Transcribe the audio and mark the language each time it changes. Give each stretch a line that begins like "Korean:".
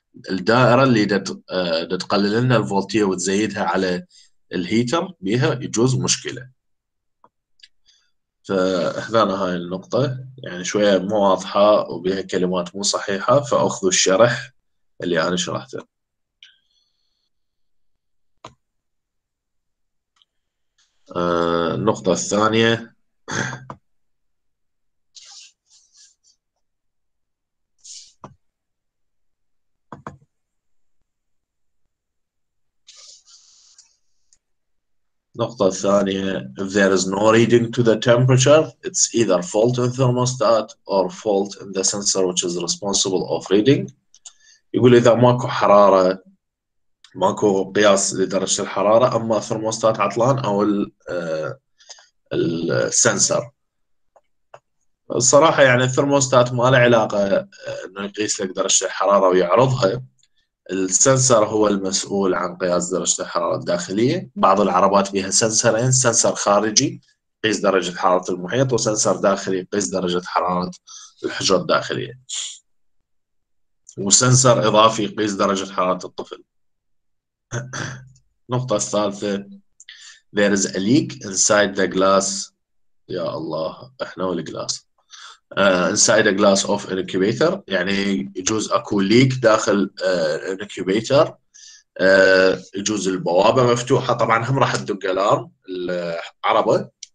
Arabic: الدائرة اللي تقلل لنا الفولتية وتزيدها على الهيتر بها يجوز مشكلة. فاحذانا هاي النقطة، يعني شوية مو واضحة وبها كلمات مو صحيحة، فأخذوا الشرح اللي أنا شرحته. النقطة الثانية، نقطة ثانية،
English: if there is no reading to the temperature, it's either fault in thermostat or fault in the sensor which is responsible of reading.
Arabic: يقول إذا ماكو حرارة، ماكو قياس لدرجة الحرارة، أما الثرموستات عطلان أو السنسر. الصراحة يعني الثرموستات ما له علاقة إنه يقيس لك درجة الحرارة ويعرضها. السنسر هو المسؤول عن قياس درجة الحرارة الداخلية. بعض العربات فيها سنسرين، سنسر خارجي يقيس درجة حرارة المحيط، وسنسر داخلي يقيس درجة حرارة الحجرة الداخلية، وسنسر إضافي يقيس درجة حرارة الطفل. نقطة الثالثة،
English: there is a leak inside the glass.
Arabic: يا الله احنا والجلاس.
English: Inside a glass of incubator،
Arabic: يعني يجوز اكو ليك داخل
English: incubator.
Arabic: يجوز البوابة مفتوحة، طبعا هم راح تدق الارم العربة.